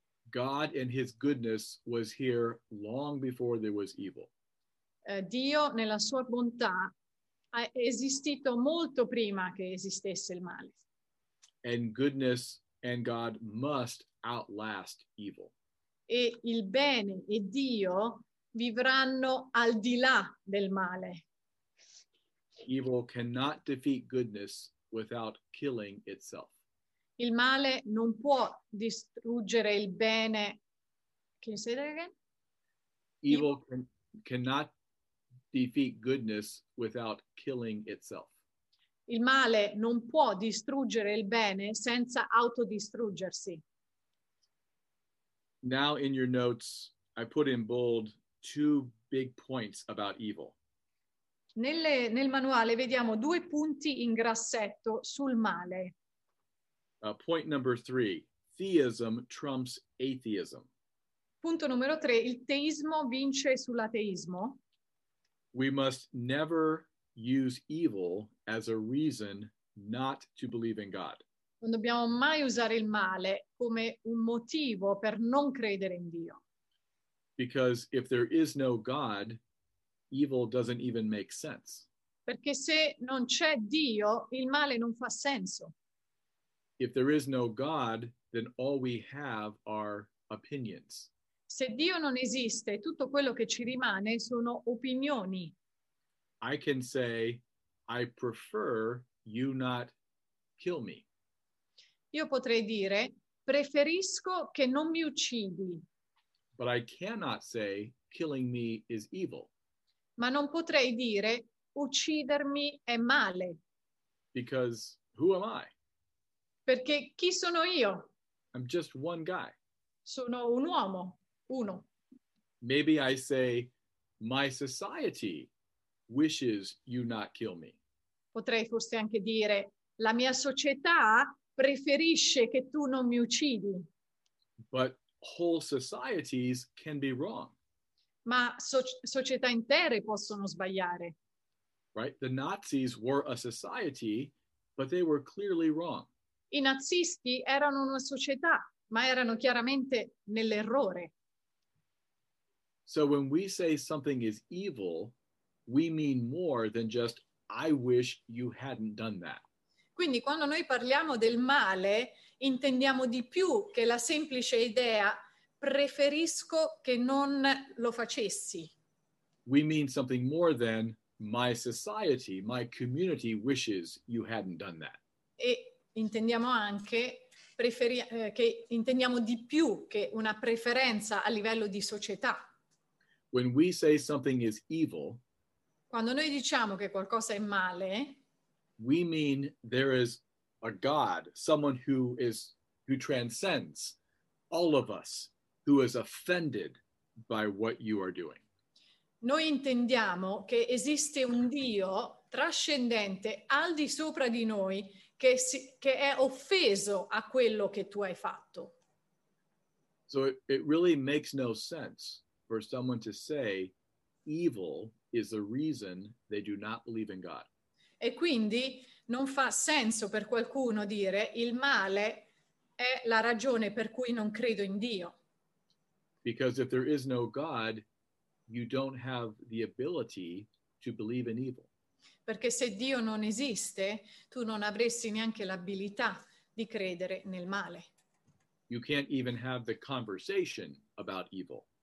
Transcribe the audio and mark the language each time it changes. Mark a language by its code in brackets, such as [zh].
[en] God and his goodness was here long before there was evil. [it] Dio, nella sua bontà, ha esistito molto prima che esistesse il male. [en] And goodness and God must outlast evil. [it] E il bene e Dio vivranno al di là del male. [en] Evil cannot defeat goodness without killing itself. [it] Il male non può distruggere il bene. [en] Can you say that again? Evil cannot defeat goodness without killing itself. [it] Il male non può distruggere il bene senza autodistruggersi. [en] Now in your notes, I put in bold two big points about evil. [it] Nel manuale vediamo due punti in grassetto sul male. [en] Point number three, theism trumps atheism. [it] Punto numero tre, il teismo vince sull'ateismo. [en] We must never use evil as a reason not to believe in God. [it] Non dobbiamo mai usare il male come un motivo per non credere in Dio. [en] Because if there is no God, evil doesn't even make sense. [it] Perché se non c'è Dio, il male non fa senso. [en] If there is no God, then all we have are opinions. [it] Se Dio non esiste, tutto quello che ci rimane sono opinioni. [en] I can say, I prefer you not kill me. [it] Io potrei dire, preferisco che non mi uccidi. [en] But I cannot say, killing me is evil. [it] Ma non potrei dire, uccidermi è male. [en] Because who am I? [it] Perché chi sono io? [en] I'm just one guy. [it] Sono un uomo. Uno. [en] Maybe I say, my society wishes you not kill me. [it] Potrei forse anche dire, la mia società preferisce che tu non mi uccidi. [en] But whole societies can be wrong. [it] Ma società intere possono sbagliare. [en] Right? The Nazis were a society, but they were clearly wrong. [it] I nazisti erano una società, ma erano chiaramente nell'errore. [en] So when we say something is evil, we mean more than just I wish you hadn't done that. [it] Quindi quando noi parliamo del male, intendiamo di più che la semplice idea preferisco che non lo facessi. [en] We mean something more than my society, my community wishes you hadn't done that. [it] E intendiamo anche che intendiamo di più che una preferenza a livello di società. [en] When we say something is evil, [it] quando noi diciamo che qualcosa è male, [en] we mean there is a God, someone who transcends all of us, who is offended by what you are doing. [it] Noi intendiamo che esiste un Dio trascendente al di sopra di noi che è offeso a quello che tu hai fatto. [en] So it really makes no sense for someone to say evil is the reason they do not believe in God. [it] E quindi non fa senso per qualcuno dire il male è la ragione per cui non credo in Dio. [en] Because if there is no God, you don't have the ability to believe in evil. [it] Perché se Dio non esiste, tu non avresti neanche l'abilità di credere nel male. [en] You can't even have the conversation about evil.